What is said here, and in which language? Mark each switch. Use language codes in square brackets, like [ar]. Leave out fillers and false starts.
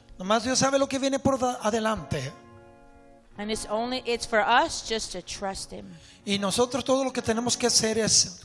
[es] Nomás Dios sabe lo que viene por adelante. [en] And it's for us just to trust him. [es] Y nosotros todo lo que tenemos que hacer es